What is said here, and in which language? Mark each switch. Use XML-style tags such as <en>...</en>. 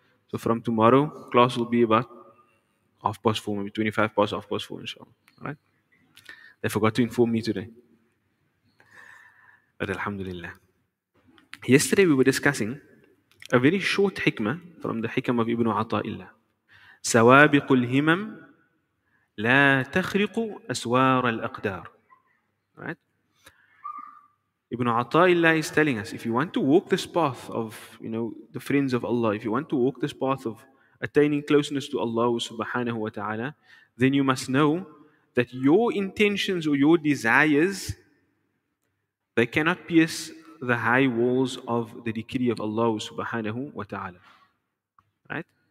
<en>So from tomorrow, class will be about 4:30, maybe 25 past 4:30, inshallah. Right? They forgot to inform me today. But alhamdulillah. Yesterday we were discussing a very short hikmah from the hikam of Ibn Ata'illah.</en> <ar>سوابق الهمم لا تخرق أسوار الأقدار.</ar> <en>Right? Ibn Ata'illah is telling us, if you want to walk this path of, you know, the friends of Allah, if you want to walk this path of attaining closeness to Allah subhanahu wa ta'ala, then you must know that your intentions or your desires, they cannot pierce the high walls of the decree of Allah subhanahu wa ta'ala. Right?</en>